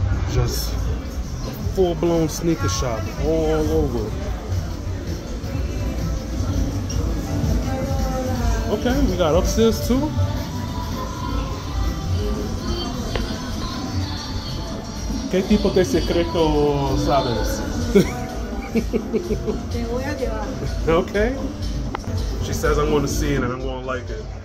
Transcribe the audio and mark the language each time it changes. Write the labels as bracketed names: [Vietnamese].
[English] Just full-blown sneaker shop all over. Okay, we got upstairs too. [Spanish] ¿Qué tipo de secreto sabes? [English] Okay. She says I'm going to see it and I'm going to like it.